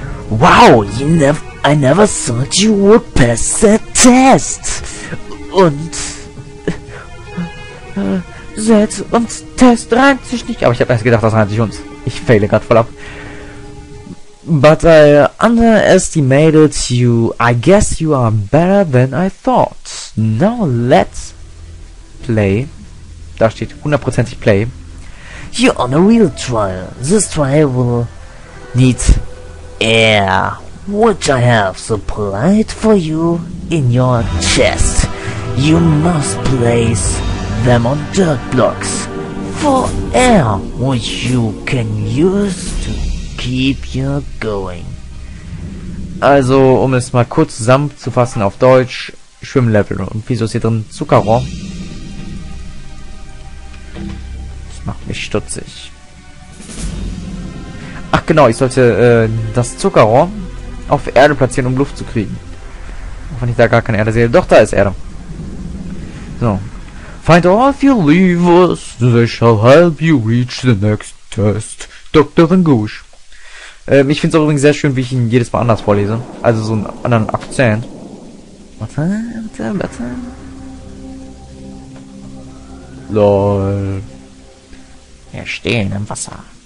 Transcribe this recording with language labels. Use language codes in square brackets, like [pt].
[en] Wow, I never thought you would pass the test. [de] Und setz uns Test reimt sich nicht. Aber ich habe erst gedacht, das reimt sich uns. Ich faile gerade voll ab. [en] But I underestimated you. I guess you are better than I thought. Now let's play. [de] Da steht 100%ig play. [en] You're on a real trial. This trial will need air, which I have supplied for you in your chest. You must place them on dirt blocks for air, which you can use to keep you going. [de] Also, um es mal kurz zusammenzufassen auf Deutsch, Schwimmlevel. Und wieso ist hier drin Zuckerrohr? Das macht mich stutzig. Ach genau, ich sollte das Zuckerrohr auf Erde platzieren, um Luft zu kriegen. Auch wenn ich da gar keine Erde sehe. Doch, da ist Erde. So. [en] Find all of your levers, they shall help you reach the next test. Dr. Ngoosh. [de] Ich finde es auch übrigens sehr schön, wie ich ihn jedes Mal anders vorlese. Also so einen anderen Akzent. Warte. Lol. Wir stehen im Wasser.